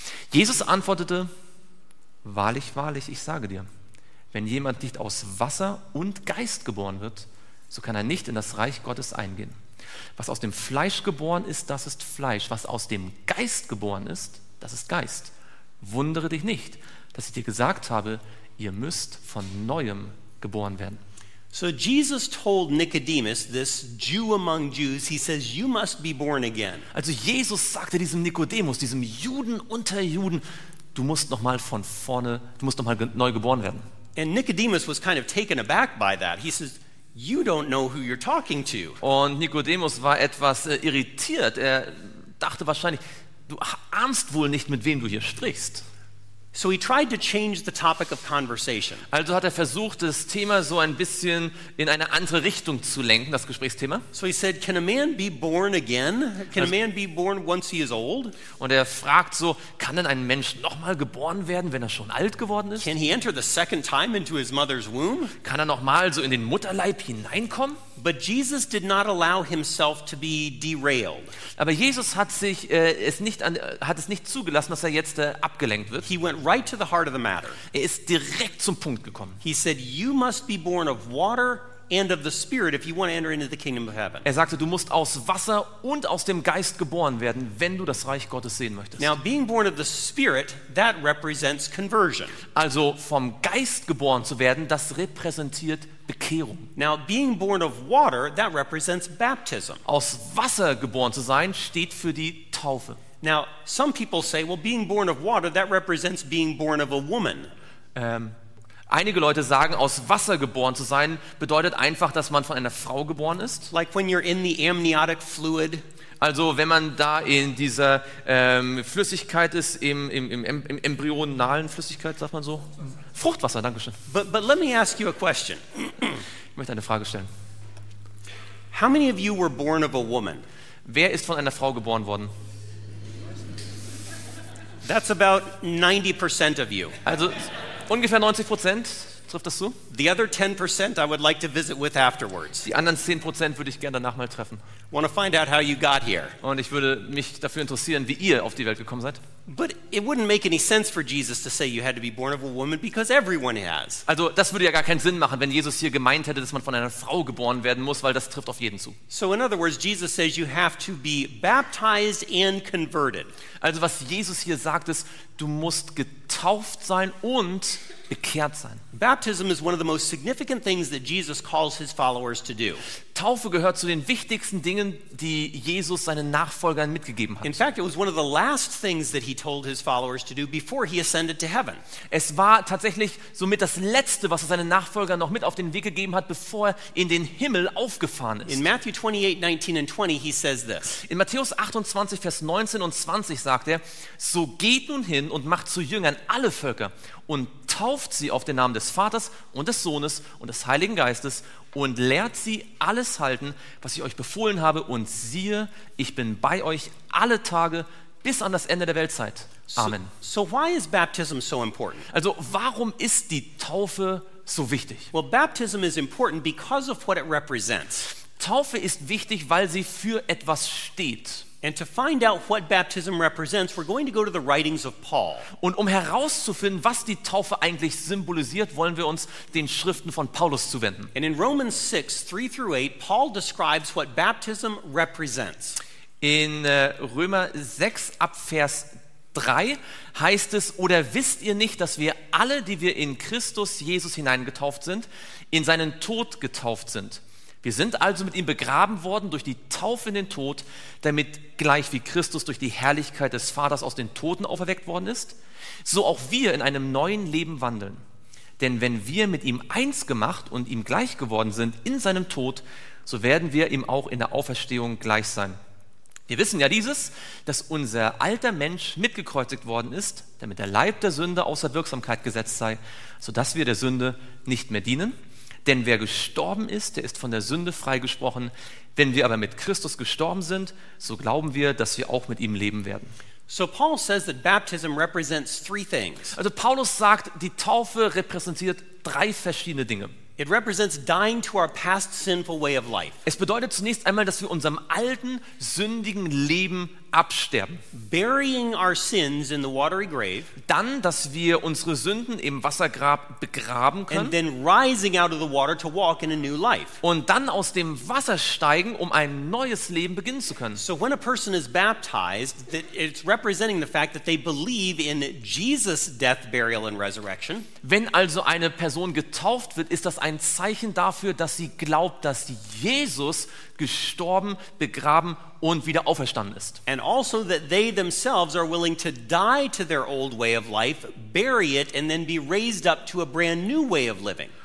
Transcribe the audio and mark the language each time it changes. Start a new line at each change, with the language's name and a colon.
German: Jesus antwortete: Wahrlich, wahrlich, ich sage dir, wenn jemand nicht aus Wasser und Geist geboren wird, so kann er nicht in das Reich Gottes eingehen. Was aus dem Fleisch geboren ist, das ist Fleisch. Was aus dem Geist geboren ist, das ist Geist. Wundere dich nicht, dass ich dir gesagt habe, ihr müsst von Neuem geboren werden.
English: So Jesus told Nicodemus, this Jew among Jews, he says, you must be born again.
German: Also Jesus sagte diesem Nikodemus, diesem Juden unter Juden, du musst noch mal von vorne, du musst noch mal neu geboren werden.
English: And Nicodemus was kind of taken aback by that. He says, you don't know who you're talking to.
German: Und Nikodemus war etwas irritiert. Er dachte wahrscheinlich, du ahnst wohl nicht, mit wem du hier sprichst.
English: So he tried to change the topic of conversation.
German: Also hat versucht, das Thema so ein bisschen in eine andere Richtung zu lenken, das Gesprächsthema.
English: So he said, can a man be born again? Can a man be born once he is old?
German: Und fragt so, kann denn ein Mensch nochmal geboren werden, wenn schon alt geworden ist?
English: Can he enter the second time into his mother's womb?
German: Kann nochmal so in den Mutterleib hineinkommen?
English: But Jesus did not allow himself to be derailed.
German: Aber Jesus hat sich hat es nicht zugelassen, dass jetzt abgelenkt wird.
English: He went right to the heart of the matter.
German: Ist direkt zum Punkt gekommen.
English: He said, "You must be born of water and of the Spirit if you want to enter into the kingdom of heaven."
German: Sagte, du musst aus Wasser und aus dem Geist geboren werden, wenn du das Reich Gottes sehen möchtest.
English: Now, being born of the Spirit, that represents conversion.
German: Also vom Geist geboren zu werden, das repräsentiert Bekehrung.
English: Now, being born of water, that represents baptism.
German: Aus Wasser geboren zu sein, steht für die Taufe.
English: Now, some people say, well, being born of water, that represents being born of a woman.
German: Einige Leute sagen, aus Wasser geboren zu sein, bedeutet einfach, dass man von einer Frau geboren ist.
English: Like when you're in the amniotic fluid.
German: Also wenn man da in dieser Flüssigkeit ist, im embryonalen Flüssigkeit, sagt man so. Fruchtwasser, danke schön.
English: But let me ask you a question.
German: Ich möchte eine Frage stellen.
English: How many of you were born of a woman?
German: Wer ist von einer Frau geboren worden?
English: That's about 90% of you.
German: Also ungefähr 90% trifft das zu.
English: The other 10% I would like to visit with afterwards.
German: Die anderen 10% würde ich gerne danach mal treffen.
English: Want to find out how you got here.
German: Und ich würde mich dafür interessieren, wie ihr auf die Welt gekommen seid.
English: But it wouldn't make any sense for Jesus to say you had to be born of a woman because everyone has.
German: Also, das würde ja gar keinen Sinn machen, wenn Jesus hier gemeint hätte, dass man von einer Frau geboren werden muss, weil das trifft auf jeden zu.
English: So in other words, Jesus says you have to be baptized and converted.
German: Also, was Jesus hier sagt, ist, du musst getauft sein und bekehrt sein.
English: Baptism is one of the most significant things that Jesus calls his followers to do.
German: Taufe gehört zu den wichtigsten Dingen, die Jesus seinen Nachfolgern mitgegeben hat.
English: In fact, it was one of the last things that he told his followers to do before he ascended to heaven.
German: Es war tatsächlich somit das Letzte, was er seinen Nachfolgern noch mit auf den Weg gegeben hat, bevor er in den Himmel aufgefahren ist.
English: In Matthew 28, 19 and 20, he says this.
German: In Matthäus 28, Vers 19 und 20 sagt er: So geht nun hin und macht zu Jüngern alle Völker und tauft sie auf den Namen des Vaters und des Sohnes und des Heiligen Geistes und lehrt sie alles halten, was ich euch befohlen habe. Und siehe, ich bin bei euch alle Tage bis an das Ende der Weltzeit. Amen.
English: So why is baptism so important?
German: Also warum ist die Taufe so wichtig?
English: Well, baptism is important because of what it represents.
German: Taufe ist wichtig, weil sie für etwas steht.
English: And to find out what baptism represents, we're going to go to the writings of Paul.
German: Und herauszufinden, was die Taufe eigentlich symbolisiert, wollen wir uns den Schriften von Paulus zuwenden.
English: And in Romans 6, 3 through 8, Paul describes what baptism represents.
German: In Römer 6 ab Vers 3 heißt es, oder wisst ihr nicht, dass wir alle, die wir in Christus Jesus hineingetauft sind, in seinen Tod getauft sind? Wir sind also mit ihm begraben worden durch die Taufe in den Tod, damit gleich wie Christus durch die Herrlichkeit des Vaters aus den Toten auferweckt worden ist, so auch wir in einem neuen Leben wandeln. Denn wenn wir mit ihm eins gemacht und ihm gleich geworden sind in seinem Tod, so werden wir ihm auch in der Auferstehung gleich sein. Wir wissen ja dieses, dass unser alter Mensch mitgekreuzigt worden ist, damit der Leib der Sünde außer Wirksamkeit gesetzt sei, sodass wir der Sünde nicht mehr dienen. Denn wer gestorben ist, der ist von der Sünde freigesprochen. Wenn wir aber mit Christus gestorben sind, so glauben wir, dass wir auch mit ihm leben werden.
English: So Paul says that baptism represents three things.
German: Also Paulus sagt, die Taufe repräsentiert drei verschiedene Dinge.
English: It represents dying to our past sinful way of life.
German: Es bedeutet zunächst einmal, dass wir unserem alten sündigen Leben absterben.
English: Burying our sins in the watery grave.
German: Dann, dass wir unsere Sünden im Wassergrab begraben können.
English: And then rising out of the water to walk in a new life.
German: Und dann aus dem Wasser steigen, um ein neues Leben beginnen zu können.
English: So when a person is baptized, it's representing the fact that they believe in Jesus' death, burial and resurrection.
German: Wenn also eine Person getauft wird, ist das ein Zeichen dafür, dass sie glaubt, dass Jesus gestorben, begraben und wieder auferstanden ist.
English: And also that they themselves are willing to die to their old way of life, bury it and then be raised up to a brand new way of living.